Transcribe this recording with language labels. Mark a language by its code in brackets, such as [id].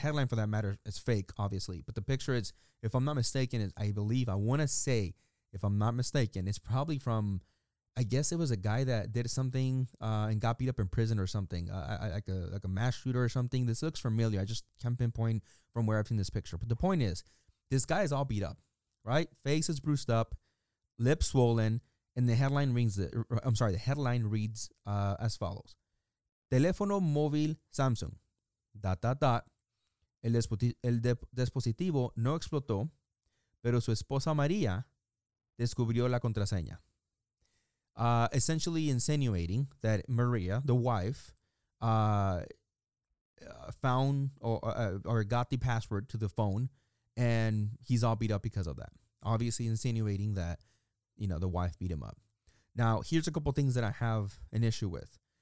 [en] The headline, for that matter, is fake, obviously. But the picture is, if I'm not mistaken, it's probably from, I guess it was a guy that did something and got beat up in prison or something, like a mass shooter or something. This looks familiar. I just can't pinpoint from where I've seen this picture. But the point is, this guy is all beat up, right? Face is bruised up, lips swollen, and the headline reads as follows. [es] Teléfono móvil Samsung. ... El dispositivo no explotó, pero su esposa María descubrió la contraseña. [en] Essentially insinuating that Maria, the wife, found or got the password to the phone, and he's all beat up because of that. Obviously insinuating that, you know, the wife beat him up. Now, here's a couple things that I have an issue with.